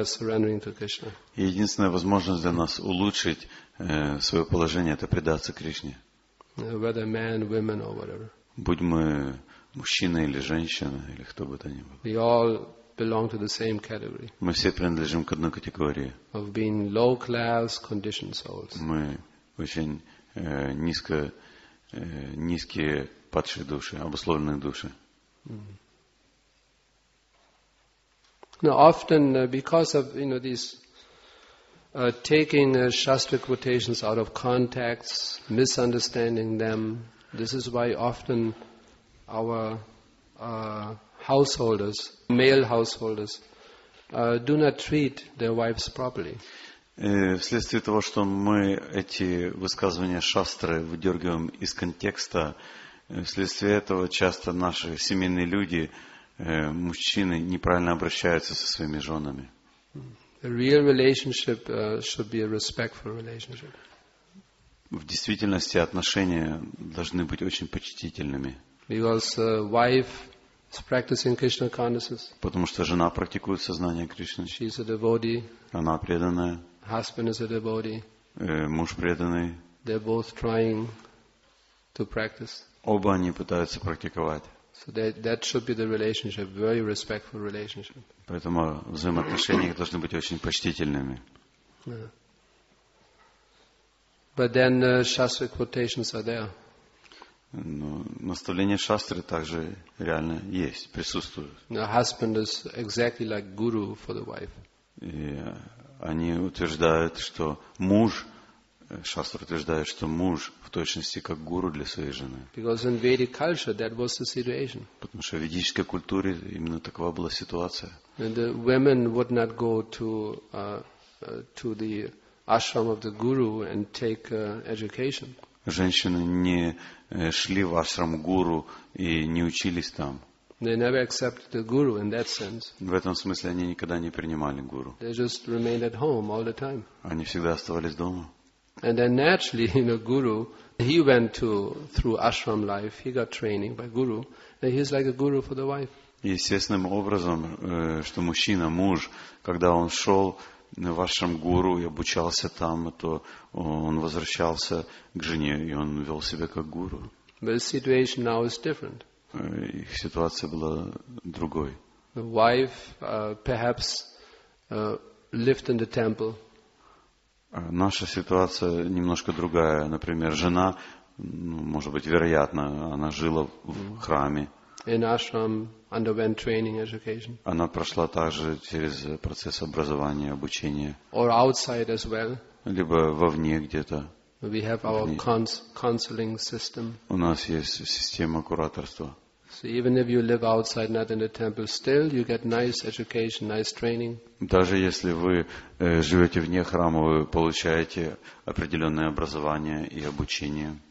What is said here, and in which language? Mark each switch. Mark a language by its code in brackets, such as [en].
[ru] Единственная возможность для нас улучшить свое положение — это предаться Кришне. [en] Whether man, woman, or whatever. [ru] Будь мы мужчина или женщина, или кто бы то ни был. [en] We all belong to the same category. [ru] Мы все принадлежим к одной категории. [en] Of being low class conditioned souls. [ru] Мы очень низкие падшие души, обусловленные души. [en] Now, often because of these taking shastra quotations out of context, misunderstanding them, this is why often our householders, male householders, do not treat their wives properly. [ru] Вследствие того, что мы эти высказывания шастры выдергиваем из контекста, вследствие этого часто наши семейные люди, мужчины, неправильно обращаются со своими женами. [en] A real relationship should be a respectful relationship. [ru] В действительности отношения должны быть очень почтительными. [en] Because wife is practicing Krishna consciousness. [ru] Потому что жена практикует сознание Кришны. [en] She is a devotee. [ru] Она преданная. [en] Husband is a devotee. [ru] Муж преданный. [en] They're both trying to practice. [ru] Оба они пытаются практиковать. [en] So that should be the relationship, very respectful relationship. [ru] Поэтому взаимоотношения должны быть очень почтительными. [en] But then shastra quotations are there. [ru] Но наставления шастры также реально есть, присутствуют. [en] The husband is exactly like guru for the wife. [ru] И они утверждают, что муж, шастра утверждает, что муж в точности как гуру для своей жены. [en] Because in Vedic culture that was the situation. [ru] Потому что в ведической культуре именно такова была ситуация. [en] And the women would not go to the ashram of the guru and take education. [ru] Женщины не шли в ашрам гуру и не учились там. [en] They never accepted the guru in that sense. [ru] В этом смысле они никогда не принимали гуру. [en] They just remained at home all the time. [ru] Они всегда оставались дома. [en] And then naturally, guru, he went to through ashram life. He got training by guru, and he's like a guru for the wife. [ru] Естественным образом, что мужчина, муж, когда он шел в ашрам гуру и обучался там, то он возвращался к жене и он вел себя как гуру. [en] But the situation now is different. [ru] Их ситуация была другой. [en] The wife perhaps lived in the temple. [ru] Наша ситуация немножко другая. Например, жена, может быть, вероятно, она жила в храме. [en] In ashram underwent training, education. [ru] Она прошла также через процесс образования, обучения. [en] Or outside as well. [ru] Либо вовне где-то. [en] We have our counseling system. [ru] У нас есть система кураторства. [en] So even if you live outside, not in the temple, still you get nice education, nice training. [ru] Даже если вы живете вне храма, вы получаете определенное образование и обучение.